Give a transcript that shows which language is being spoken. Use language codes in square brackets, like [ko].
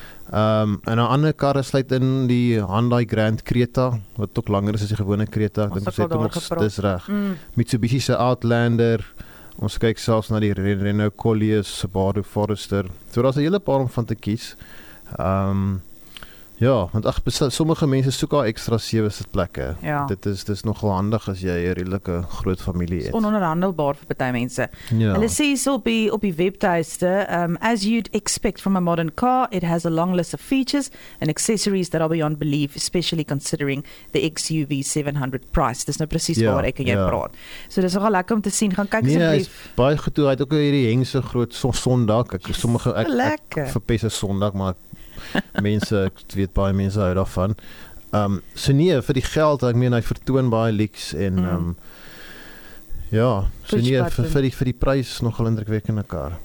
[af] en een ander kar sluit in die Hyundai Grand Creta, wat ook langer is as die gewone Creta, ek dink dit ons dis reg, Mitsubishi se Outlander, ons kyk selfs na die Renault Koleos, Subaru Forester, so daar is een hele paar om van te kies. Ja, want sommige mense soek al ekstra 7 sitplekke. Ja. Dit is nogal handig as jy 'n redelike groot familie het. Dit is ononderhandelbaar vir baie mense. Ja. Hulle sê so op die webtuiste, [en] as you'd expect from a modern car, it has a long list of features and accessories that are beyond belief, especially considering the XUV 700 price. [af] Dis nou precies waar ek en jy praat. So dis nogal lekker om te sien. Gaan kyk asseblief. Nee, is baie goed toe. Hy het ook hierdie hengse groot sondak. Ek verpes 'n sondak, maar mense, ek weet baie mense hou daarvan. So nee, vir die geld, ek meen, hy vertoon baie leaks en vir die prijs nogal indrukwekkende kar.